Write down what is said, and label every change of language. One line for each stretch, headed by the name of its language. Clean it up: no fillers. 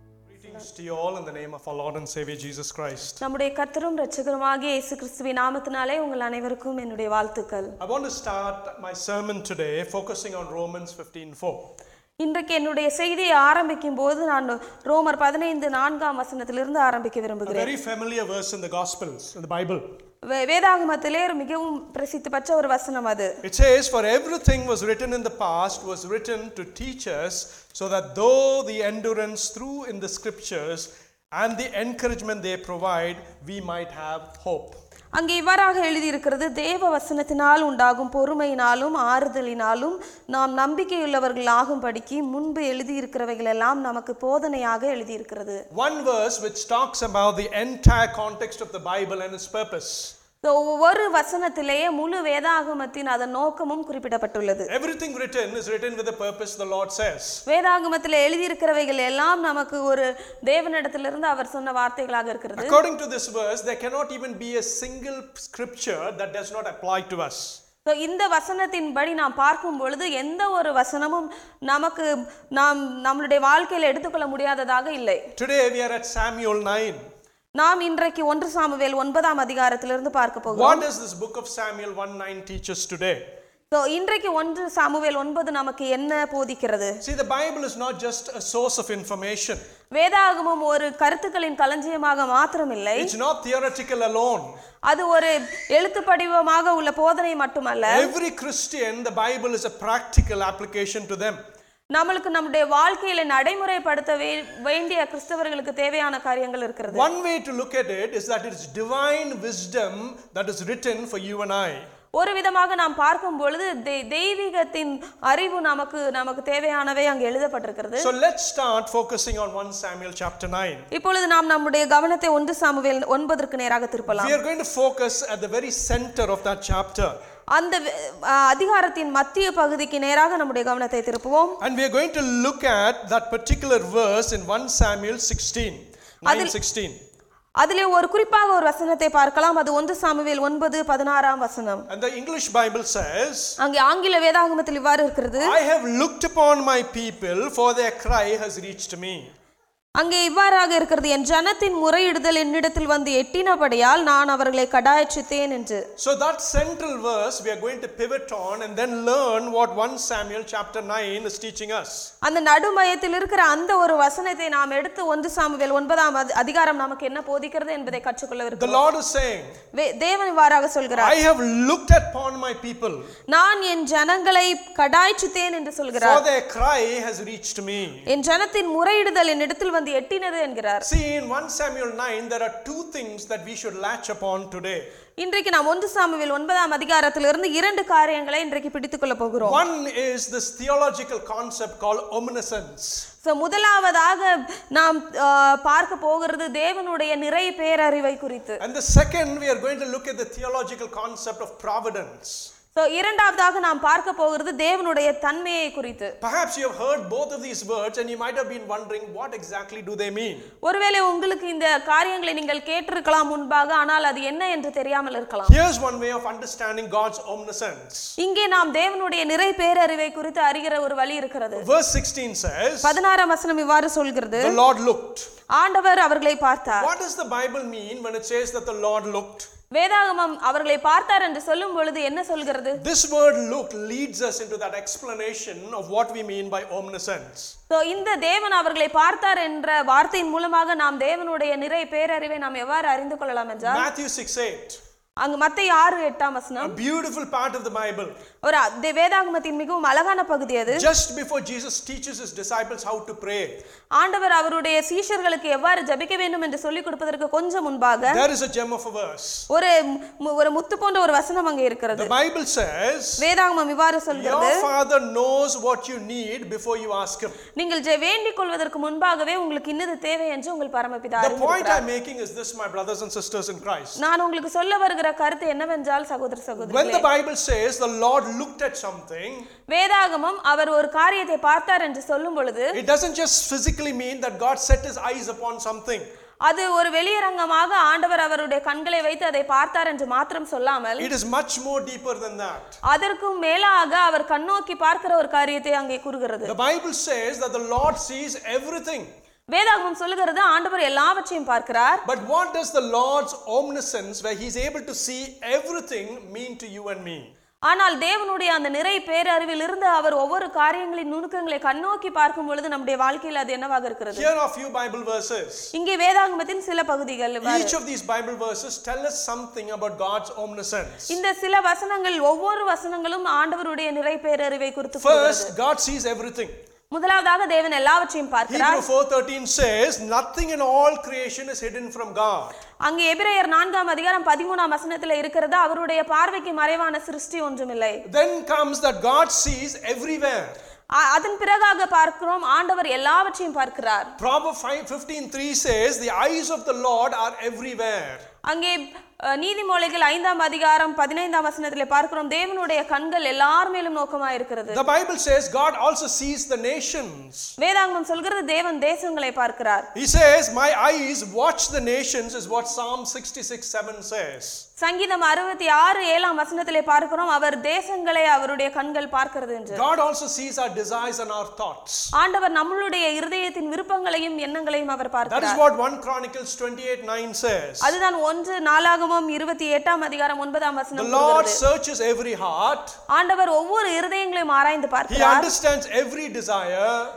English: peace to you all in the name of our Lord and Savior Jesus Christ.
Tamil: நம்முடைய கர்த்தரும் இரட்சகருமாகிய இயேசு கிறிஸ்துவின் நாமத்தினாலே உங்கள் அனைவருக்கும் என்னுடைய வாழ்த்துக்கள்.
English: I want to start my sermon today focusing on Romans 15:4.
Tamil: இன்றைக்கு என்னுடைய செய்தியை ஆரம்பிக்கும் போது நான் ரோமர் 15:4 வசனத்திலிருந்து ஆரம்பிக்க விரும்புகிறேன்.
English: A very familiar verse in the Gospels, in the Bible.
Tamil: வேதாகமத்திலே மிகவும் பிரசித்தி பெற்ற ஒரு வசனம் அது.
English: It says, for everything was written in the past was written to teach us so that though the endurance through in the scriptures and the encouragement they provide we might have hope.
Tamil: அங்கே இவ்வாறாக எழுதியிருக்கிறது, தேவ வசனத்தினால் உண்டாகும் பொறுமையினாலும் ஆறுதலினாலும் நாம் நம்பிக்கையுள்ளவர்கள் ஆகும்படிக்கு முன்பு எழுதியிருக்கிறவைகள் எல்லாம் நமக்கு போதனையாக எழுதியிருக்கிறது.
English: One verse which talks about the entire context of the Bible and its purpose.
Tamil: So, ஒவ்வொரு வசனத்திலேயே முழு வேதாகமத்தின் அதன் நோக்கமும் குறிப்பிடப்பட்டுள்ளது.
English: Everything written is written with a purpose, the Lord says.
Tamil: வேதாகமத்தில் எழுதியிருக்கிறவைகள் எல்லாம் நமக்கு ஒரு தேவனிடத்திலிருந்து அவர் சொன்ன வார்த்தைகளாக இருக்கிறது.
English: According to this verse, there cannot even be a single scripture that does not apply to us.
Tamil: இந்த வசனத்தின்படி நாம் பார்க்கும் பொழுது எந்த ஒரு வசனமும் நமக்கு நாம் நம்மளுடைய வாழ்க்கையில் எடுத்துக்கொள்ள முடியாததாக இல்லை.
English: Today we are at Samuel 9.
Tamil: நாம் இன்றைக்கு 1 சாமுவேல் 9 அதிகாரத்திலிருந்து பார்க்க போகிறோம்.
English: What does this book of Samuel 1:9 teach us today?
Tamil: So, இன்றைக்கு 1 சாமுவேல் 9 நமக்கு என்ன போதிக்கிறது?
English: See, the Bible is not just a source of information.
Tamil: வேதாகமம் ஒரு கருத்துக்களின் களஞ்சியமாக மட்டும் இல்லை.
English: It's not theoretical alone.
Tamil: அது ஒரு எழுத்துப்படிவமாக உள்ள போதனை மட்டுமல்ல.
English: Every Christian, the Bible is a practical application to them.
Tamil: நம்மளுக்கு நம்முடைய வாழ்க்கையில நடைமுறைப்படுத்த வேண்டிய கிறிஸ்தவர்களுக்கு தேவையான காரியங்கள் இருக்கிறது.
English: One way to look at it is that it's divine wisdom that is written for you and I.
Tamil: ஒரு விதமாக நாம் பார்க்கும் பொழுது தெய்வீகத்தின் அறிவு நமக்கு தேவையானவை அங்கு எழுதப்பட்டிருக்கிறது.
English: So let's start focusing on 1 Samuel chapter 9.
Tamil: இப்பொழுது நாம் நம்முடைய கவனத்தை 1 சாமுவேல் 9க்கு நேராக திருப்பலாம்.
English: We are going to focus at the very center of that chapter.
Tamil: அந்த அதிகாரத்தின் மத்திய பகுதிக்கு நேராக நம்முடைய கவனத்தை திருப்புவோம்.
English: And we are going to look at that particular verse in 1 Samuel 16:9-16.
Tamil: அதிலே ஒரு குறிப்பாக ஒரு வசனத்தை பார்க்கலாம். அது 1 சாமுவேல் 9:16 வசனம்.
English: And the English Bible says,
Tamil: அங்கே ஆங்கில வேதாகமத்தில் இவ்வாறு இருக்கிறது,
English: I have looked upon my people for their cry has reached me.
Tamil: அங்கே இவ்வாறாக இருக்கிறது, என் ஜனத்தின் முறையிடுதல் என்னிடத்தில் வந்து எட்டினபடியால் நான் அவர்களை கடாய்ச்சித்தேன் என்று.
English: So that central verse we are going to pivot on and then learn what 1 Samuel chapter 9 is teaching us.
Tamil: அந்த நடுமையத்தில் இருக்கிற அந்த ஒரு வசனத்தை நாம் எடுத்து 1 சாமுவேல் 9 அதிகாரம் நமக்கு என்ன போதிக்கிறது என்பதை கற்றுக்கொள்ள இருக்கிறது.
English: The Lord is saying,
Tamil: தேவன் இவ்வாறாக சொல்கிறார்,
English: I have looked upon my people.
Tamil: நான் என் ஜனங்களை கடாய்ச்சித்தேன் என்று சொல்கிறார்.
English: For their cry has reached me.
Tamil: என் ஜனத்தின் முறையிடுதல் என்னிடத்தில் வந்து எட்டினது என்கிறார்.
English: See, in 1 Samuel 9 there are two things that we should latch upon today.
Tamil: இன்றைக்கு நாம் 1 சாமுவேல் 9 அதிகாரத்திலிருந்து இரண்டு காரியங்களை இன்றைக்கு பிடித்துக்கொள்ள போகிறோம்.
English: One is this theological concept called omniscience.
Tamil: So முதலாவதாக நாம் பார்க்க போகிறது தேவனுடைய நிறை பேரறிவை குறித்து.
English: And the second we are going to look at the theological concept of providence.
Tamil: So இரண்டாவதாக நாம் பார்க்க போகிறது தேவனுடைய தன்மையை குறித்து.
English: Perhaps you have heard both of these words and you might have been wondering what exactly do they mean.
Tamil: ஒருவேளை உங்களுக்கு இந்த காரியங்களை நீங்கள் கேட்டிருக்கலாம் முன்பாக, ஆனால் அது என்ன என்று தெரியாமல் இருக்கலாம்.
English: Here's one way of understanding God's omniscience.
Tamil: இங்கே நாம் தேவனுடைய நிறை பேரறிவை குறித்து அறிகிற ஒரு வழி இருக்கிறது.
English: Verse 16 says,
Tamil: 16 வசனம் இவ்வாறு சொல்கிறது,
English: The Lord looked.
Tamil: ஆண்டவர் அவர்களை பார்த்தார்.
English: What does the Bible mean when it says that the Lord looked?
Tamil: வேதாகமம் அவர்களை பார்த்தார் என்று சொல்லும் பொழுது என்ன சொல்கிறது?
English: This word look leads us into that explanation of what we mean by omniscience.
Tamil: So இந்த தேவன் அவர்களை பார்த்தார் என்ற வார்த்தையின் மூலமாக நாம் தேவனுடைய நிறை பேரறிவை நாம் எவ்வாறு அறிந்து கொள்ளலாம் என்றால்,
English: Matthew 6:8.
Tamil: அங்கு மத்தேயு 6:8 வசனம்.
English: A beautiful part of the Bible.
Tamil: ஒரு வேதாகமத்தின் மிகவும் அழகான பகுதி அது.
English: Just before Jesus teaches his disciples how to pray.
Tamil: ஆண்டவர் அவருடைய சீஷர்களுக்கு எவ்வாறு ஜெபிக்க வேண்டும் என்று சொல்லிக் கொடுப்பதற்கு கொஞ்சம் முன்பாக,
English: There is a gem of a verse.
Tamil: ஒரு முத்து போன்ற ஒரு வசனம் அங்கே இருக்கிறது.
English: The Bible says,
Tamil: வேதாகமம் இவ்வாறு சொல்கிறது,
English: Your father knows what you need before you ask him.
Tamil: நீங்கள் வேண்டிக் கொள்வதற்கு முன்பாகவே உங்களுக்கு இன்னது தேவை என்று உங்கள் பரமபிதா அறிந்திருக்கிறார்.
English: The point I'm making is this, my brothers and sisters in Christ.
Tamil: நான் உங்களுக்கு சொல்ல வருகிற கருத்து என்னவென்றால், சகோதர சகோதரிகளே,
English: When the Bible says the Lord looked at something,
Tamil: வேதாகமம் அவர் ஒரு காரியத்தை பார்த்தார் என்று சொல்லும் பொழுது,
English: It doesn't just physically mean that God set his eyes upon something.
Tamil: அது ஒரு வெளியரங்கமாக ஆண்டவர் அவருடைய கண்களை வைத்து அதை பார்த்தார் என்று மாத்திரம் சொல்லாமல்,
English: It is much more deeper than that.
Tamil: அதற்கும் மேலாக அவர் கண்ணோக்கி பார்க்கிற ஒரு காரியத்தை அங்கே கூறுகிறது.
English: The Bible says that the Lord sees everything.
Tamil: வேதாகமம் சொல்லுகிறது ஆண்டவர் எல்லாவற்றையும் பார்க்கிறார்.
English: But what does the Lord's omniscience, where he's able to see everything, mean to you and me?
Tamil: ஆனால் தேவனுடைய அந்த நிறை பேரறிவில் இருந்து அவர் ஒவ்வொரு காரியங்களின் நுணுக்கங்களை கண்ணோக்கி பார்க்கும் பொழுது நம்முடைய வாழ்க்கையில் அது என்னவாக இருக்கிறது?
English: Here are a few Bible verses.
Tamil: இங்கே வேதாகமத்தின் சில பகுதிகள்.
English: Each of these Bible verses tell us something about God's omniscience.
Tamil: இந்த சில வசனங்கள் ஒவ்வொரு வசனங்களும் ஆண்டவருடைய நிறை பேரறிவை குறித்து
English: First, God sees everything.
Tamil: முதலாவதாக தேவன் எல்லாவற்றையும் பார்க்கிறார்.
English: Hebrews 4:13 says nothing in all creation is hidden from God.
Tamil: அங்கே எபிரேயர் 4 அதிகாரம் 13 வசனத்தில் இருக்கிறது அவருடைய பார்வைக்கு மறைவான சிருஷ்டி ஒன்றும் இல்லை.
English: Then comes that God sees everywhere.
Tamil: அதன் பிறகாக பார்க்கிறோம் ஆண்டவர் எல்லாவற்றையும் பார்க்கிறார்.
English: Proverbs 15:3 says the eyes of the Lord are everywhere.
Tamil: அங்கே நீதிமொழிகள் 5:15 வசனத்தில் பார்க்கிறோம் தேவனுடைய கண்கள் எல்லார் மேலும் நோக்கமாக இருக்கிறது.
English: The Bible says God also sees the nations.
Tamil: வேதாகமம் சொல்கிறது தேவன் தேசங்களை பார்க்கிறார்.
English: He says my eyes watch the nations is what Psalm 66:7 says.
Tamil: சங்கீதம் 66:7 வசனத்தில் பார்க்கிறோம் அவர் தேசங்களை அவருடைய கண்கள் பார்க்கிறது என்று.
English: God also sees our desires and our thoughts.
Tamil: ஆண்டவர் நம்முடைய இருதயத்தின் விருப்பங்களையும் எண்ணங்களையும் அவர் பார்க்கிறார்.
English: That is what 1 Chronicles 28:9 says.
Tamil: அதுதான் 1 ஆகமம் 28 அதிகாரம் 9 வசனம்.
English: The Lord searches every heart.
Tamil: ஆண்டவர் ஒவ்வொரு இருதயங்களையும் ஆராய்ந்து பார்க்கிறார்.
English: He understands every desire.